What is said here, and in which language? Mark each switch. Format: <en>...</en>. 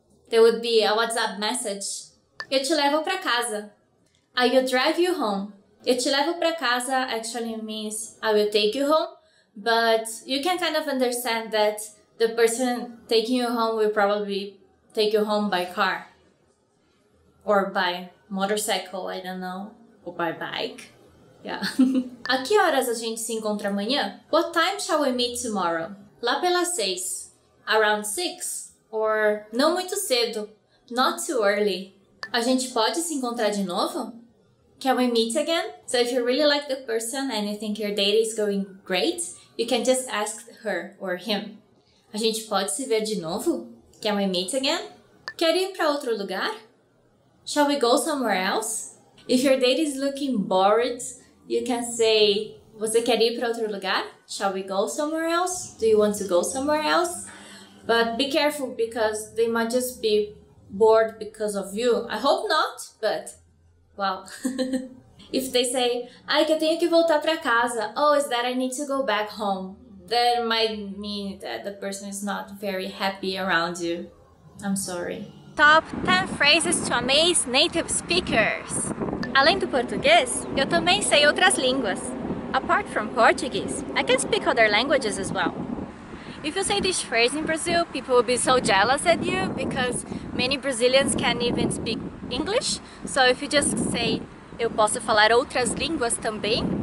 <en>There would be a WhatsApp message.</en> <pt>Eu te levo para casa.</pt> <en>I will drive you home.</en> <pt>Eu te levo para casa</pt> <en>actually means I will take you home. But you can kind of understand that the person taking you home will probably take you home by car. Or by motorcycle, I don't know. Or by bike.</en> <pt>Yeah. A que horas a gente se encontra amanhã?</pt> <en>What time shall we meet tomorrow?</en> <pt>Lá pelas 6.</pt> <en>Around 6. Or</en> <pt>não muito cedo.</pt> <en>Not too early.</en> <pt>A gente pode se encontrar de novo?</pt> <en>Can we meet again? So if you really like the person and you think your date is going great, you can just ask her or him.</en> <pt>A gente pode se ver de novo?</pt> <en>Can we meet again?</en> <pt>Quer ir para outro lugar?</pt> <en>Shall we go somewhere else? If your date is looking bored, you can say,</en> <pt>você quer ir para outro lugar?</pt> <en>Shall we go somewhere else? Do you want to go somewhere else? But be careful because they might just be bored because of you. I hope not, but, well. If they say,</en> <pt>ai, que eu tenho que voltar para casa.</pt> <en>Oh, is that I need to go back home? That might mean that the person is not very happy around you. I'm sorry. Top 10 phrases to amaze native speakers.</en> <pt>Além do português, eu também sei outras línguas.</pt> <en>Apart from Portuguese, I can speak other languages as well. If you say this phrase in Brazil, people will be so jealous at you because many Brazilians can't even speak English. So if you just say,</en> <pt>eu posso falar outras línguas também,</pt>